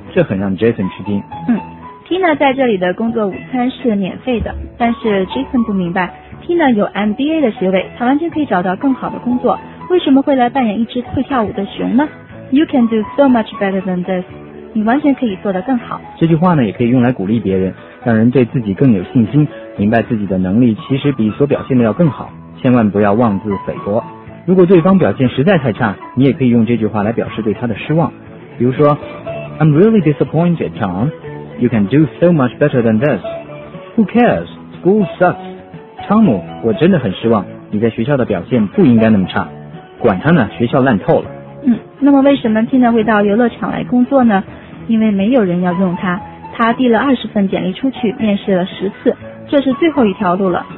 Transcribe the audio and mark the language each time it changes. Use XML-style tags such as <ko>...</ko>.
<zh>这很让 Jason 吃惊。 Tina 在这里的工作午餐是免费的，但是 Jason 不明白 Tina 有 MBA 的学位，她完全可以找到更好的工作，为什么会来扮演一只会跳舞的熊呢？</zh> <en>You can do so much better than this.</en> <zh>你完全可以做得更好。这句话呢，也可以用来鼓励别人，让人对自己更有信心，明白自己的能力其实比所表现的要更好。千万不要妄自菲薄。如果对方表现实在太差，你也可以用这句话来表示对他的失望。比如说</zh> <en>I'm really disappointed, Tom. You can do so much better than this. Who cares? School sucks.</en> <zh>Tom, 我真的很失望，你在学校的表现不应该那么差。管他呢，学校烂透了。那么为什么 Tina 会到游乐场来工作呢？因为没有人要用他。他递了20份简历出去，面试了10次，这是最后一条路了。</zh>